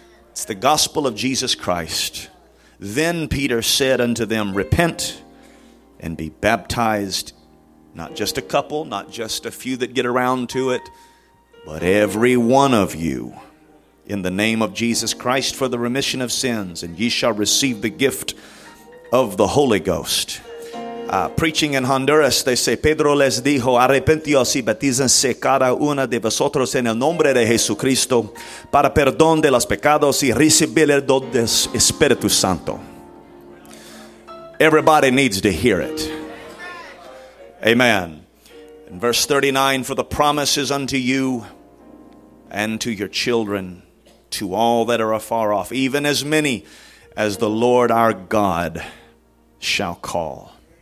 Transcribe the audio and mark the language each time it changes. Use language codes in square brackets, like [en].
[en] It's the gospel of Jesus Christ. Then Peter said unto them, repent and be baptized, not just a couple, not just a few that get around to it, but every one of you, in the name of Jesus Christ for the remission of sins, and ye shall receive the gift of the Holy Ghost. Preaching in Honduras, they say, [es] Pedro les dijo, arrepentíos y batízense cada una de vosotros en el nombre de Jesucristo para perdón de los pecados y recibir el don del Espíritu Santo. [en] Everybody needs to hear it. Amen. In verse 39, for the promise is unto you and to your children, to all that are afar off, even as many as the Lord our God shall call.